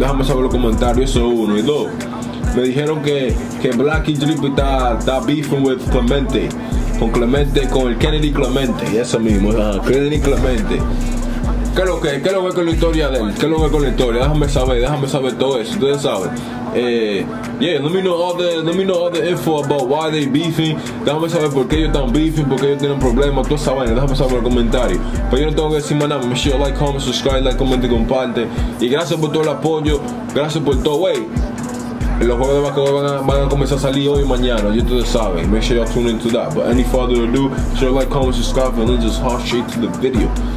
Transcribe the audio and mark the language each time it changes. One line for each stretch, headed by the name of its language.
Spanish: Déjame saber los comentarios. Eso uno y dos. Me dijeron que Blacky Drippy está
English: beefing with
Spanish: Clemente. Con Clemente, con el Kennedy Clemente. Eso mismo, Kennedy Clemente. ¿Qué es lo que? ¿Qué es lo que con la historia de él? ¿Qué es lo que con la historia? Déjame saber todo eso. Ustedes saben.
English: Let me know all the info about why they beefing.
Spanish: Déjame saber por qué ellos están beefing, porque ellos tienen problemas. Todo esa vaina, déjame saber en los comentarios. Pero yo no tengo que decir más nada.
English: Me sure like, comment,
Spanish: subscribe, like, comment y comparte. Y gracias por todo el apoyo. Gracias por todo, wey. Los juegos de basketball van a comenzar a salir hoy y mañana. Ya ustedes saben.
English: Make sure y'all tune into that. But any further ado, share, like, comment, subscribe, and then just hop straight to the video.